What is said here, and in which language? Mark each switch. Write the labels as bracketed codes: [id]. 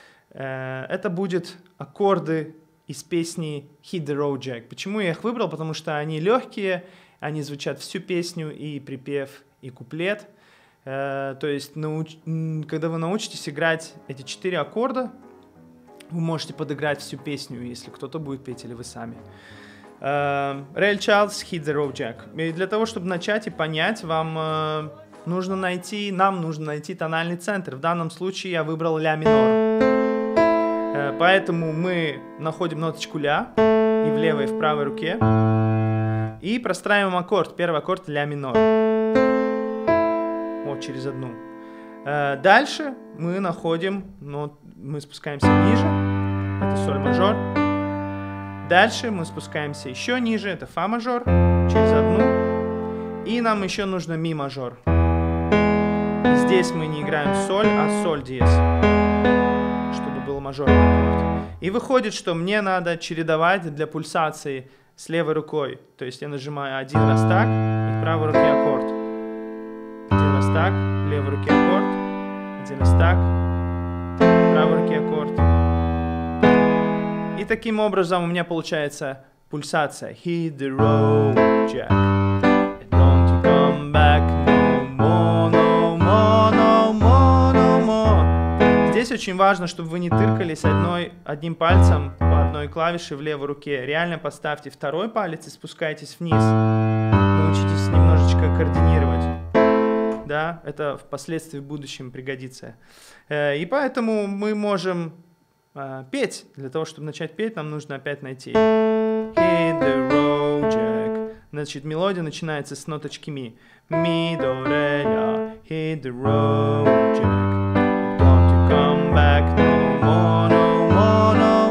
[ru] Это будут аккорды из песни «Hit the Road, Jack». Почему я их выбрал? Потому что они легкие, они звучат всю песню, и припев, и куплет. То есть, когда вы научитесь играть эти четыре аккорда, вы можете подыграть всю песню, если кто-то будет петь или вы сами. [en] Ray Charles, Hit the Road, Jack. [ru] И для того, чтобы начать и понять, нам нужно найти тональный центр. В данном случае я выбрал ля минор. Поэтому мы находим ноточку ля и в левой, и в правой руке. И простраиваем аккорд. Первый аккорд ля минор. Через одну. Дальше мы находим, мы спускаемся ниже, это соль мажор. Дальше мы спускаемся еще ниже, это фа мажор, через одну. И нам еще нужно ми мажор. Здесь мы не играем соль, а соль диез, чтобы был мажор. И выходит, что мне надо чередовать для пульсации с левой рукой. То есть я нажимаю один раз так, и в правой руке аккорд. Так, в левой руке аккорд, один раз так, в правой руке аккорд. И таким образом у меня получается пульсация. [en] Hit the road, Jack. And don't you come back no more, no more, no more, no more. [ru] Здесь очень важно, чтобы вы не тыркались одним пальцем по одной клавише в левой руке. Реально поставьте второй палец и спускайтесь вниз. Научитесь немножечко координировать. Да, это впоследствии в будущем пригодится. И поэтому мы можем петь. Для того, чтобы начать петь, нам нужно опять найти. [en] Hit the road, Jack. [ru] Значит, мелодия начинается с ноточки ми. Ми, до, ре, ля. [en] Hit the road, Jack. Don't you come back no more.